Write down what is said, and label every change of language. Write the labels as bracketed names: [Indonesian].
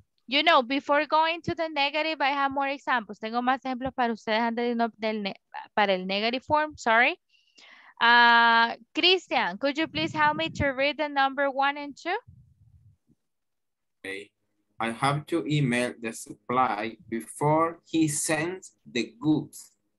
[English] You know, before going to the negative, I have more examples. [Spanish] Tengo más ejemplos para ustedes antes de para el negative form. [English] Sorry. Christian, could you please help me to read the number 1 and 2? Okay. I have to email the supply before he sends the goods.